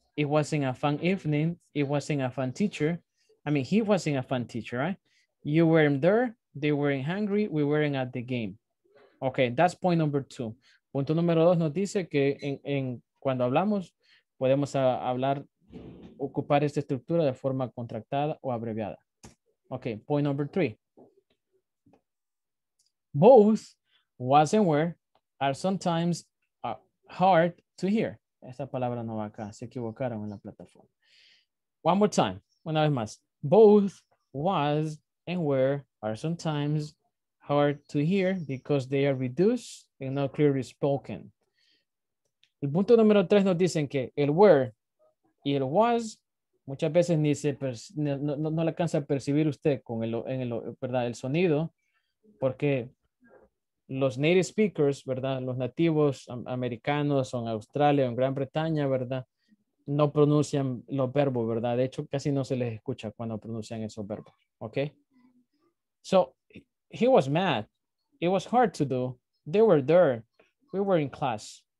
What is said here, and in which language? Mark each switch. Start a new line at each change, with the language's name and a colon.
English: It wasn't a fun evening. It wasn't a fun teacher. I mean, he wasn't a fun teacher, right? You weren't there. They weren't hungry. We weren't at the game. Okay, that's point number two.
Spanish: Punto número dos nos dice que en cuando hablamos, podemos hablar, ocupar esta estructura de forma contractada o abreviada.
English: Okay, point number three. Both was and were are sometimes hard to hear.
Spanish: Esta palabra no va acá. Se equivocaron en la plataforma.
English: One more time.
Spanish: Una vez más.
English: Both was and were are sometimes hard to hear because they are reduced and not clearly spoken.
Spanish: El punto número tres nos dicen que el were y el was muchas veces ni se no le alcanza a percibir usted con el sonido porque los native speakers, ¿verdad? Los nativos americanos o en Australia o en Gran Bretaña, ¿verdad? No pronuncian los verbos, ¿verdad? De hecho, casi no se les escucha cuando pronuncian esos verbos, ¿ok?
English: So, he was mad. It was hard to do. They were there. We were in class.